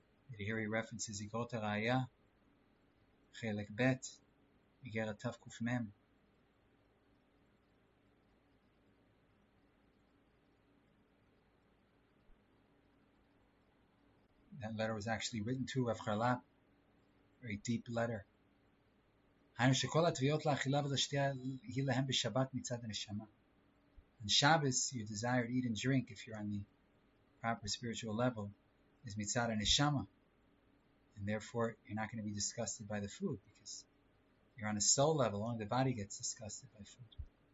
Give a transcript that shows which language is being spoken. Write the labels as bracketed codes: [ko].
[en] And here he references Igot HaRa'aya, Chelek Bet, Igeret Tav Kuf Mem. That letter was actually written to Rav Chalap, very deep letter. [he] היינו שכל התביעות לאכילה ולשתייה היא להם בשבת מצד הנשמה. [en] And Shabbos, your desire to eat and drink, if you're on the proper spiritual level, is [he] מצד הנשמה. [en] And therefore, you're not going to be disgusted by the food, because you're on a soul level, only the body gets disgusted by food.